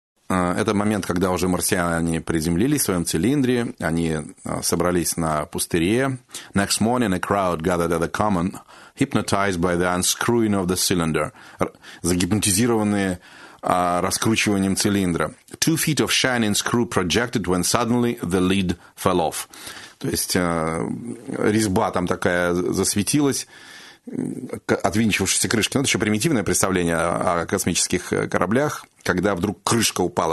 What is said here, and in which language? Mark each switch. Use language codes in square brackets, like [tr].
[ru] Это момент, когда уже марсиане приземлились в своем цилиндре, они собрались на пустыре. [en] Next morning a crowd gathered at the common, hypnotized by the unscrewing of the cylinder. [ru] Загипнотизированные раскручиванием цилиндра. [en] 2 feet of shining screw projected when suddenly the lid fell off. [ru] То есть резьба там такая засветилась, отвинчившейся крышки. Ну, это еще примитивное представление о космических кораблях, когда вдруг крышка упала.